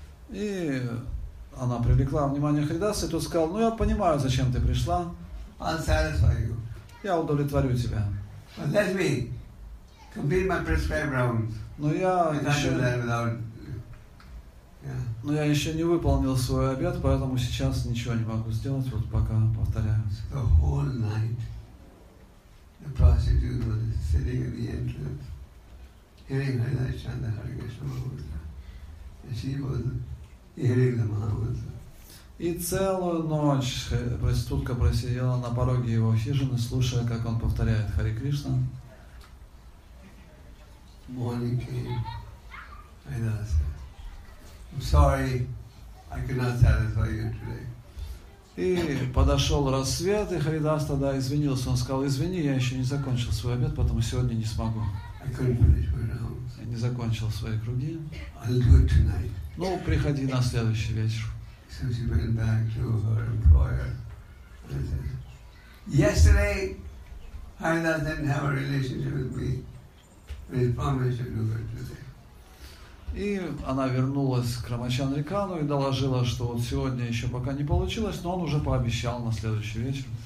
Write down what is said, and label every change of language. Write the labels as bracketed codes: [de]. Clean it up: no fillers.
[ru] И она привлекла внимание Харидаса, и тот сказал, ну я понимаю, зачем ты пришла. [en] I'll satisfy you. [ru] Я удовлетворю тебя. [en] But let me complete my prescribed rounds. [ru] Но я еще... Но я еще не выполнил свой обет, поэтому сейчас ничего не могу сделать, вот пока повторяю. [en] The whole night the prostitute was sitting at the entrance, hearing Haridas chant the Hare Krishna mantra, and she was hearing the mantra. [ru] И целую ночь проститутка просидела на пороге его хижины, слушая, как он повторяет Хари Кришна. [en] Morning came, Haridas. I'm sorry, I cannot satisfy you today. [ru] И подошел рассвет, и Харидас тогда извинился. Он сказал, извини, я еще не закончил свой обед, потому сегодня не смогу. [en] I couldn't finish my rounds. [ru] Я не закончил свои круги. [en] I'll do it tonight. [ru] Ну, приходи на следующий вечер. [en] So she went back to her employer. Said, yesterday, Haridas didn't have a relationship with me. But he promised to do it today. [ru] И она вернулась к Рамачан Рикану и доложила, что вот сегодня еще пока не получилось, но он уже пообещал на следующий вечер.